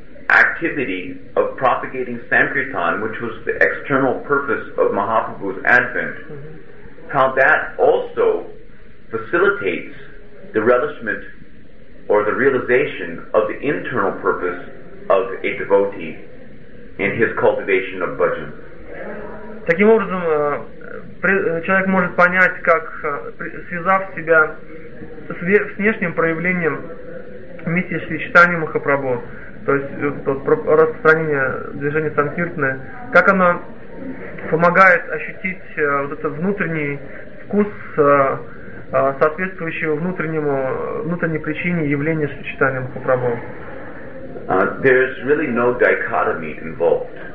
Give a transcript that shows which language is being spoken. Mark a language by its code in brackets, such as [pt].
[en] activity of propagating Sankirtan, which was the external purpose of Mahaprabhu's advent, how that also facilitates the relishment or the realization of the internal purpose of a devotee in his cultivation of bhajan. [ru] Таким образом, человек может понять, как, связав себя с внешним проявлением миссии Шри Чайтаньи Махапрабху, то есть распространение движения Санкиртаны, как оно помогает ощутить вот этот внутренний вкус, соответствующий внутренней причине явления Шри Чайтаньи Махапрабху. [en] There's really no dichotomy involved.